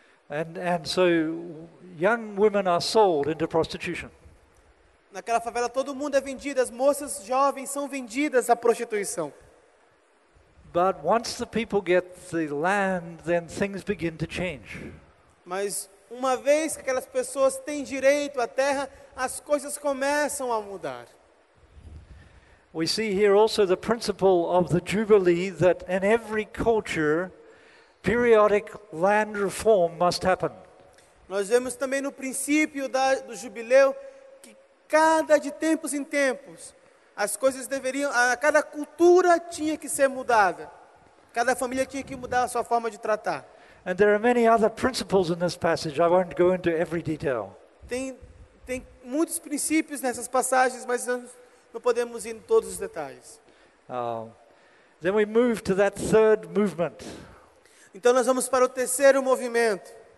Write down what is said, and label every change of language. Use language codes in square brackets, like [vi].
[en] And so young women are sold into prostitution. [pt] Naquela favela todo mundo é vendido, as moças jovens são vendidas à prostituição. [en] But once the people get the land, then things begin to change. [pt] Mas uma vez que aquelas pessoas têm direito à terra, as coisas começam a mudar. [en] We see here also the principle of the Jubilee that in every culture, periodic land reform must happen. [pt] Nós vemos também no princípio do jubileu que cada de tempos em tempos, as coisas deveriam, cada cultura tinha que ser mudada. Cada família tinha que mudar a sua forma de tratar. [en] And there are many other principles in this passage. I won't go into every detail. [pt] Tem muitos princípios nessas passagens, mas não podemos ir em todos os detalhes. [en] Then we move to that third movement. [pt] Então nós vamos para o terceiro movimento.